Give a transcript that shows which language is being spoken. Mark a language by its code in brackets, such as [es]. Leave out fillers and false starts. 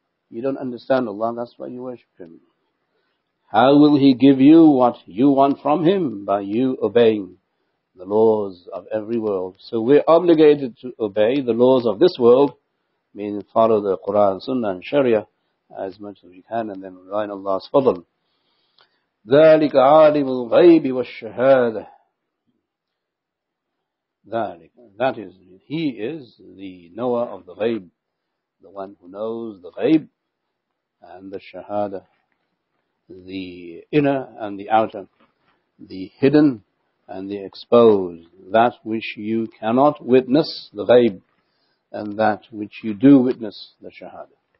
[en] You don't understand Allah, that's why you worship Him. How will He give you what you want from Him? By you obeying the laws of every world. So we're obligated to obey the laws of this world, meaning follow the Quran, Sunnah and Sharia as much as we can, and then rely on Allah's fadl. [ar] ذلك عالم الغيب والشهادة. ذلك. [en] That is, he is the knower of the ghayb, the one who knows the ghayb and the shahada, the inner and the outer, the hidden and the exposed, that which you cannot witness, the ghayb, and that which you do witness, the shahada.